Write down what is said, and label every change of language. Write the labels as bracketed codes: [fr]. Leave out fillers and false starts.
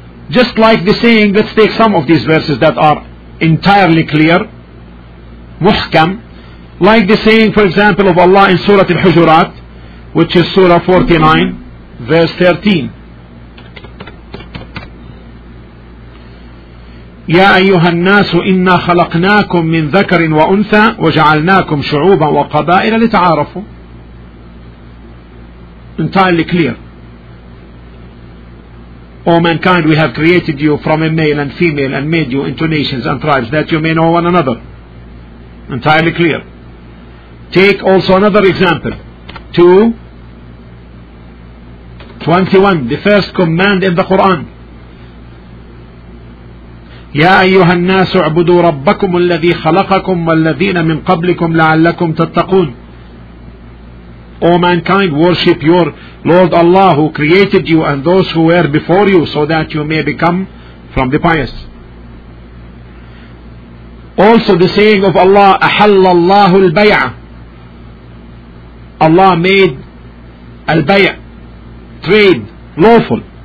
[en] Just like the saying, let's take some of these verses that are entirely clear, muhkam, like the saying, for example, of Allah in Surah Al-Hujurat, which is Surah 49, verse 13. [ar] يا أيها الناس إنا خلقناكم من ذكر وأنثى وجعلناكم شعوبا وقبائل لتعارفوا. [en] Entirely clear. O mankind, we have created you from a male and female and made you into nations and tribes that you may know one another. Entirely clear. Take also another example. 2:21, the first command in the Quran. [ar] يا أيها الناس اعبدوا ربكم الذي خلقكم والذين من قبلكم لعلكم تتقون. [en] O mankind, worship your Lord Allah who created you and those who were before you so that you may become from the pious. Also the saying of Allah, [ar] أَحَلَّ اللَّهُ الْبَيْعَ, [en] Allah made al-bay' trade lawful.